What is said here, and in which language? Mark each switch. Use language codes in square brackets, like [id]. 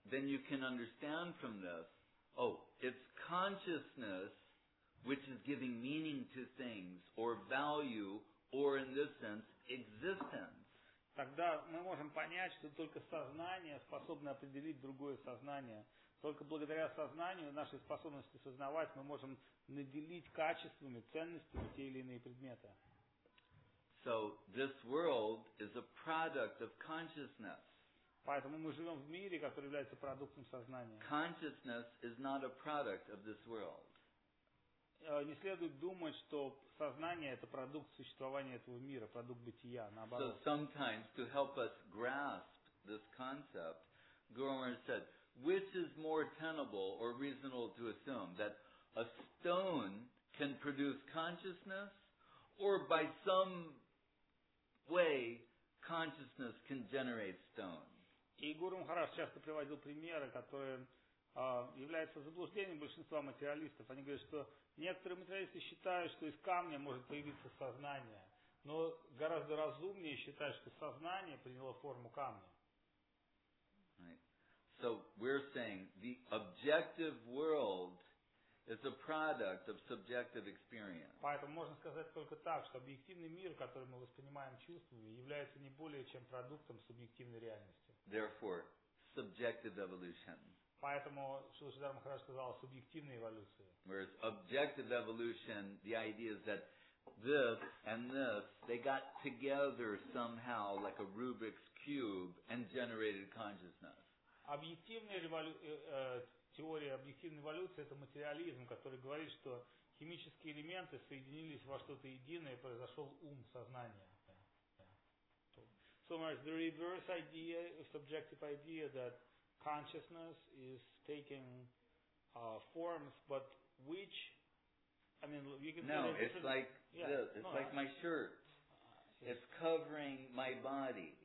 [en] Then you can understand from this, oh, it's consciousness which is giving meaning to things or value or in this sense existence. [ru] Тогда мы можем понять, что только сознание способно определить другое сознание. Только благодаря сознанию, нашей способности сознавать, мы можем наделить качествами, ценностями те или иные предметы. [en] So this world is a product of consciousness. [ru] Поэтому мы живем в мире, который является продуктом сознания. [en] Consciousness is not a product of this world. [ru] Не следует думать, что сознание – это продукт существования этого мира, продукт бытия, наоборот. [en] So sometimes, to help us grasp this concept, Gurumar said, which is more tenable or reasonable to assume, that a stone can produce consciousness, or by some way consciousness can generate stone? [ru] И Гурумар часто приводил примеры, которые являются заблуждением большинства материалистов. Они говорят, что некоторые материалисты считают, что из камня может появиться сознание, но гораздо разумнее считать, что сознание приняло форму камня. [en] Right. So we're saying the objective world is a product of subjective experience. [ru] Поэтому можно сказать только так, что объективный мир, который мы воспринимаем чувствами, является не более чем продуктом субъективной реальности. [en] Therefore, subjective evolution. [ru] Поэтому Шилшидар Махарадж сказал о субъективной эволюции. [en] Whereas objective evolution, the idea is that this and this, they got together somehow like a Rubik's cube and generated consciousness. [ru] объективная теория объективной эволюции – это материализм, который говорит, что химические элементы соединились во что-то единое, произошел ум, сознание. [en] So much the reverse idea, subjective idea, that consciousness is taking forms, but which, I mean, you can no, it's like yeah, this. It's no, like my shirt. It's covering my body.